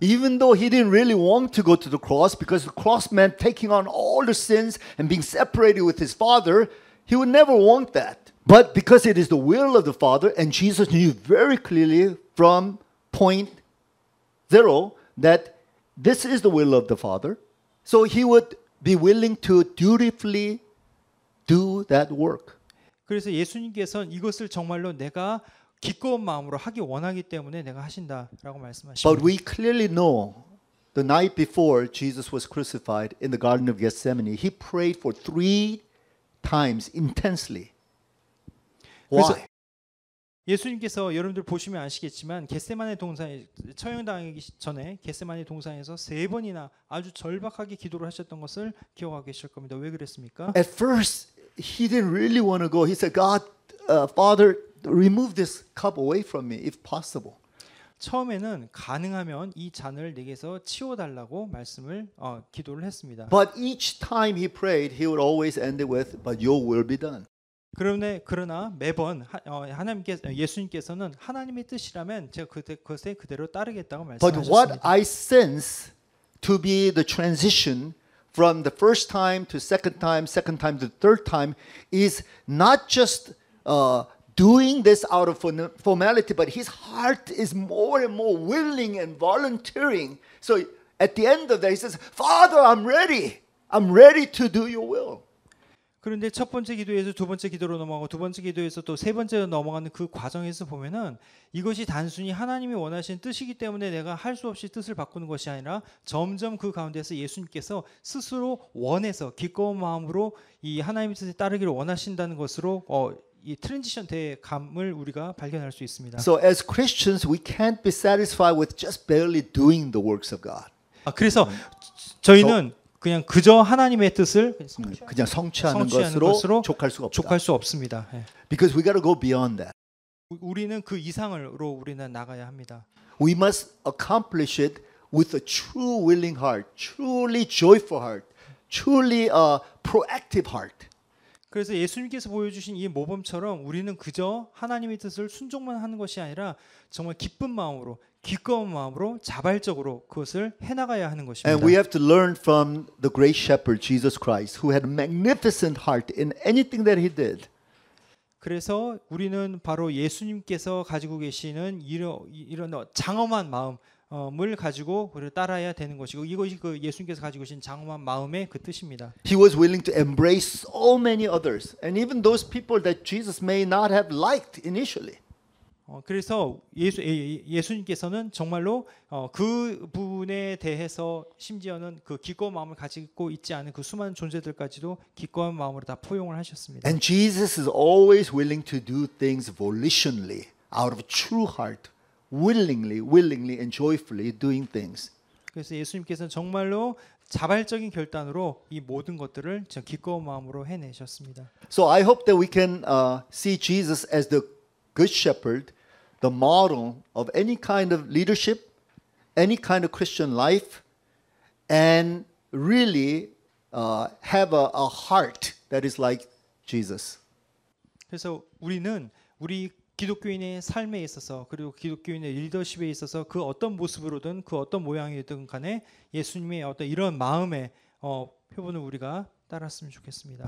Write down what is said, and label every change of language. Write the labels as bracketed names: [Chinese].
[English] Even though he didn't really want to go to the cross because the cross meant taking on all the sins and being separated with his father, he would never want that. But because it is the will of the father and Jesus knew very clearly from point zero that this is the will of the father, so he would be willing to dutifully do that work. [Korean] 그래서 예수님께서는 이것을 정말로 내가 기꺼운 마음으로 하기 원하기 때문에 내가 하신다라고 말씀하십니다. [English] But we clearly know the night before Jesus was crucified in the Garden of Gethsemane, he prayed for three times intensely. Why? [Korean] 예수님께서 여러분들 보시면 아시겠지만 겟세마네 동산에 처형당하기 전에 겟세마네 동산에서 세 번이나 아주 절박하게 기도를 하셨던 것을 기억하고 계실 겁니다. 왜 그랬습니까? [English] At first he didn't really want to go. He said, "God, Father, remove this cup away from me if possible." [Korean] 처음에는 가능하면 이 잔을 내게서 치워 달라고 말씀을 기도를 했습니다. [English] But each time he prayed, he would always end it with, "But your will be done." [Korean] 그러나 매번 예수님께서는 하나님의 뜻이라면 제가 그것에 그대로 따르겠다고 말씀하셨습니다. [English] But what I sense to be the transition from the first time to second time, second time to third time is not just doing this out of formality, but his heart is more and more willing and volunteering. So at the end of that, he says, "Father, I'm ready. I'm ready to do your will." [Korean] 그런데 첫 번째 기도에서 두 번째 기도로 넘어가고 두 번째 기도에서 또 세 번째로 넘어가는 그 과정에서 보면은 이것이 단순히 하나님이 원하시는 뜻이기 때문에 내가 할 수 없이 뜻을 바꾸는 것이 아니라 점점 그 가운데서 예수님께서 스스로 원해서 기꺼운 마음으로 이 하나님의 뜻에 따르기를 원하신다는 것으로 이 트랜지션 때의 감을 우리가 발견할 수 있습니다. [English] So as Christians, we can't be satisfied with just barely doing the works of God. [Korean] 그래서 저희는 그냥 그저 하나님의 뜻을 그냥 성취하는 것으로 족할 수가 없다. 족할 수 없습니다. [English] Because we got to go beyond that. [Korean] 우리는 그 이상으로 우리는 나가야 합니다. [English] We must accomplish it with a true willing heart, truly joyful heart, truly a proactive heart. [Korean] 그래서 예수님께서 보여주신 이 모범처럼 우리는 그저 하나님의 뜻을 순종만 하는 것이 아니라 정말 기쁜 마음으로 기꺼운 마음으로 자발적으로 그것을 해나가야 하는 것입니다. [English] And we have to learn from the great shepherd Jesus Christ who had a magnificent heart in anything that he did. [Korean] 그래서 우리는 바로 예수님께서 가지고 계시는 이런 장엄한 마음을 가지고 우리를 따라야 되는 것이고 이것이 그 예수님께서 가지고 계신 장엄한 마음의 그 뜻입니다. [English] He was willing to embrace so many others and even those people that Jesus may not have liked initially. [Korean] 그래서 예수님께서는 정말로 그분에 대해서 심지어는 그 기꺼운 마음을 가지고 있지 않은 그 수많은 존재들까지도 기꺼운 마음으로 다 포용을 하셨습니다. [English] And Jesus is always willing to do things volitionally, out of true heart, willingly and joyfully doing things. [Korean] 그래서 예수님께서는 정말로 자발적인 결단으로 이 모든 것들을 기꺼운 마음으로 해내셨습니다. [English] So I hope that we can see Jesus as the good shepherd, the model of any kind of leadership, any kind of Christian life, and really have a heart that is like Jesus. [Korean] 그래서 우리는 우리 기독교인의 삶에 있어서 그리고 기독교인의 리더십에 있어서 그 어떤 모습으로든 그 어떤 모양이든 간에 예수님의 어떤 이런 마음의 표본을 우리가 따랐으면 좋겠습니다.